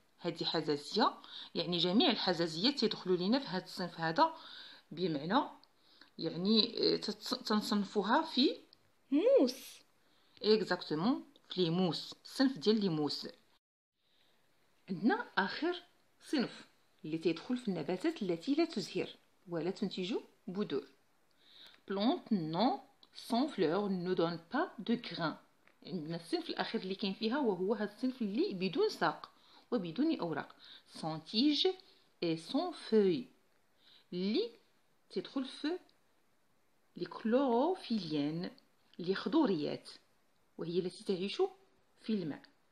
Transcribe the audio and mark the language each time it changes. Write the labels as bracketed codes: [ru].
[ar] هادي حزازيه يعني جميع الحزازيات تيدخلوا لينا في هاد الصنف هذا بمعنى يعني تنصنفوها في [fr] موس [ar] اكزاكتومون في لي موس الصنف ديال لي موس. عندنا اخر صنف اللي تيدخل في النباتات التي لا تزهر ولا تنتج بذور. [fr] plantes non sans fleurs ne donnent pas de grains. [ar] عندنا الصنف الاخير اللي كاين فيها وهو هذا الصنف اللي بدون ساق وبدون اوراق [fr] sans tige et sans feuilles. [ar] اللي تيدخل في لي كلوروفيليان لي خضوريات وهي التي تعيش في الماء.